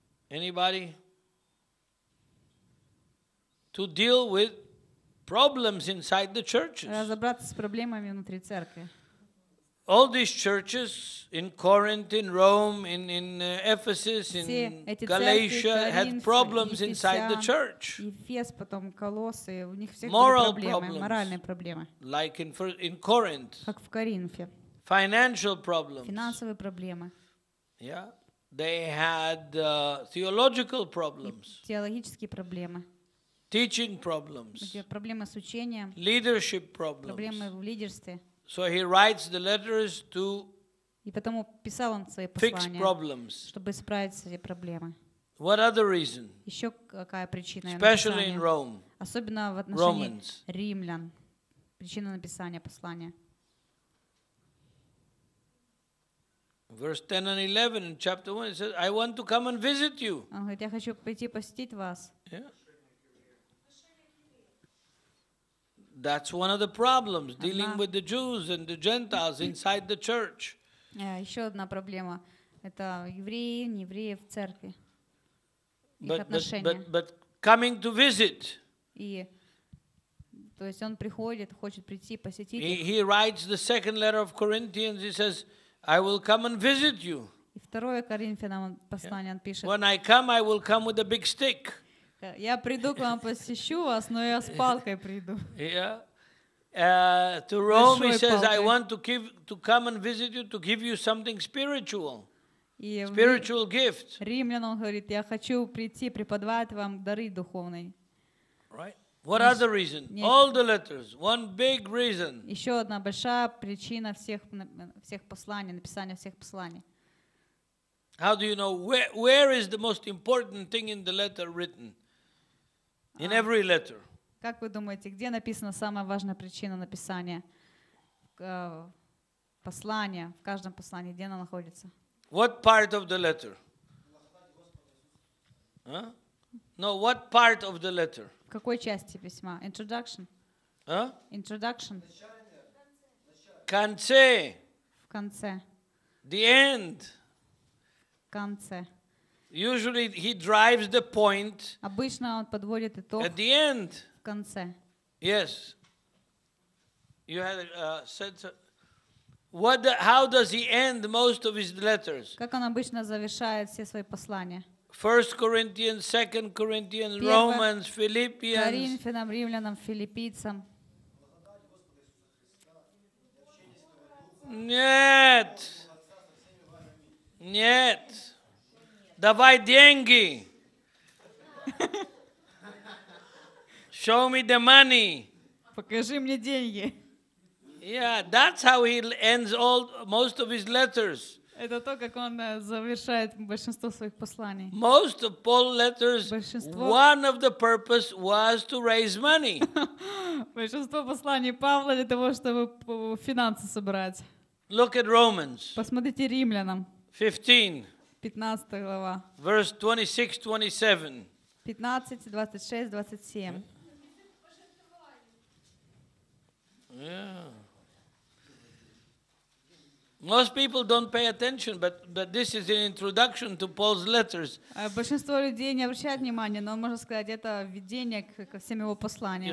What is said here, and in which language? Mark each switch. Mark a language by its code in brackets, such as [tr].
[en] Anybody? To deal with problems inside the churches. [ru] Разобраться с проблемами внутри церкви. [en] All these churches in Corinth, in Rome, in Ephesus, in Galatia had problems inside the church. [ru] Эфес, потом Колоссы, у них все проблемы, моральные проблемы. [en] Like in Corinth. [ru] Как в Коринфе. [en] Financial problems. [ru] Финансовые проблемы. [en] Yeah, they had theological problems. [ru] Теологические проблемы. [en] Teaching problems. [ru] Проблемы с учением. [en] Leadership problems. [ru] Проблемы в лидерстве. [en] So he writes the letters to. [ru] И потом писал он свои послания. [en] Fix problems. [ru] Чтобы исправить свои проблемы. [en] What other reason? [ru] Еще какая причина? [en] Especially in Rome. [ru] Особенно в отношении римлян. Причина написания послания. [en] Verse 10 and 11 in chapter 1, it says, "I want to come and visit you." [ru] Он говорит, я хочу пойти посетить вас. [en] That's one of the problems dealing with the Jews and the Gentiles inside the church. [ru] Yeah, еще одна проблема это евреи, не евреи в церкви. [en] But coming to visit. [ru] И то есть он приходит, хочет прийти посетить. [en] He writes the second letter of Corinthians. He says, "I will come and visit you." [ru] И второе Коринфянам послание он пишет. [en] When I come, I will come with a big stick. [ru] Я приду к вам, посещу вас, но я с палкой приду. [en] Yeah. To Rome, he says, I want to come and visit you to give you something spiritual. Spiritual gift. [ru] Римлян, он говорит, я хочу прийти, преподавать вам дары духовные. [en] Right. What other reason? All the letters. One big reason. [ru] Еще одна большая причина всех посланий, написания всех посланий. [en] How do you know where is the most important thing in the letter written? In every letter. [ru] Как вы думаете, где написана самая важная причина написания послания, в каждом послании, где она находится? [en] What part of the letter? Huh? No, what part of the letter? [ru] В какой части письма? [en] Introduction? Huh? Introduction? [ru] Конце. В конце. [en] The end. [ru] В конце. [en] Usually he drives the point. [ru] Обычно он подводит итог. [en] At the end. [ru] В конце. [en] Yes. You had said. What? How does he end most of his letters? [ru] Как он обычно завершает все свои послания? [en] First Corinthians, Second Corinthians, Romans, Philippians. [ru] Коринфянам, Римлянам, Филиппийцам. Нет. Нет. Давай деньги. [en] Show me the money. [ru] Покажи мне деньги. [en] Yeah, that's how he ends all most of his letters. [ru] Это то, как он завершает большинство своих посланий. [en] Most of Paul's letters, one of the purpose was to raise money. [ru] Большинство посланий Павла для того, чтобы финансы собрать. [en] Look at Romans. [ru] Посмотрите Римлянам. [en] 15. [ru] 15 глава. [en] Verse 26-27. [ru] 15, 26, 27. [en] Most people don't pay attention, but this is an introduction to Paul's letters. [ru] Большинство людей не обращают внимания, но можно сказать, это введение к всем его посланиям.